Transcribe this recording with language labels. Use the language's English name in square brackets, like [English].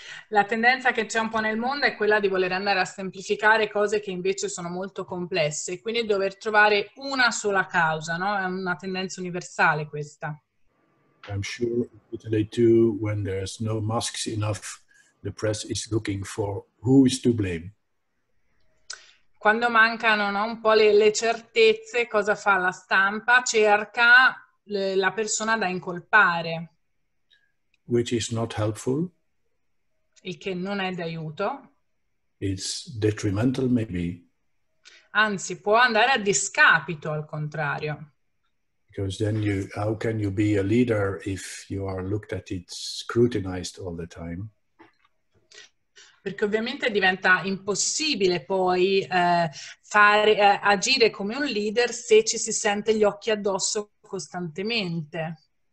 [Italian] La tendenza che c'è un po' nel mondo è quella di voler andare a semplificare cose che invece sono molto complesse, quindi dover trovare una sola causa, no? È una tendenza universale questa. [English] I'm sure Italy too, when there's no masks enough, the press is looking for who is to blame. [Italian] Quando mancano, no, un po' le certezze, cosa fa la stampa? Cerca la persona da incolpare. [English] Which is not helpful. [Italian] Il che non è d'aiuto. [English] It's detrimental, maybe. [Italian] Anzi, può andare a discapito, al contrario. [English] Because then you, how can you be a leader if you are looked at it scrutinized all the time? [Italian] Perché ovviamente diventa impossibile poi agire come un leader se ci si sente gli occhi addosso costantemente.